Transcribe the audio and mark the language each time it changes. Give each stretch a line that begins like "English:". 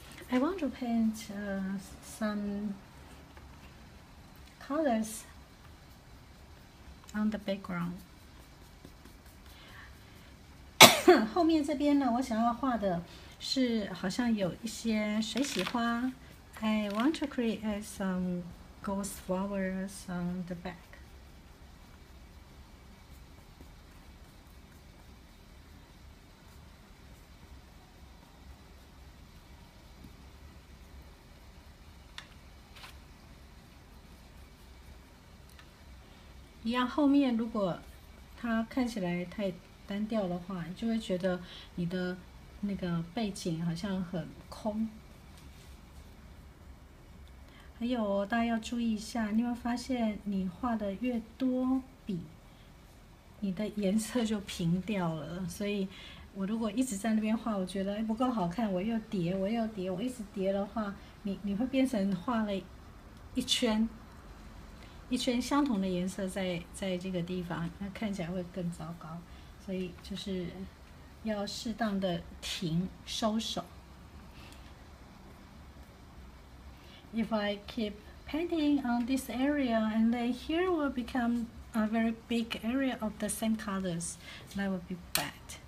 English: I want to paint some colors on the background.
Chinese: 后面这边呢，我想要画的是好像有一些水洗花。
English: I want to create some ghost flowers on the back.
Chinese: 一样，后面如果它看起来太单调的话，就会觉得你的那个背景好像很空。还有大家要注意一下，你会发现你画的越多笔，你的颜色就平掉了。所以我如果一直在那边画，我觉得不够好看，我又叠，我一直叠的话，你会变成画了一圈相同的颜色在这个地方，那看起来会更糟糕。所以就是要适当的停收手。
English: If I keep painting on this area, and then here will become a very big area of the same colors, that will be bad.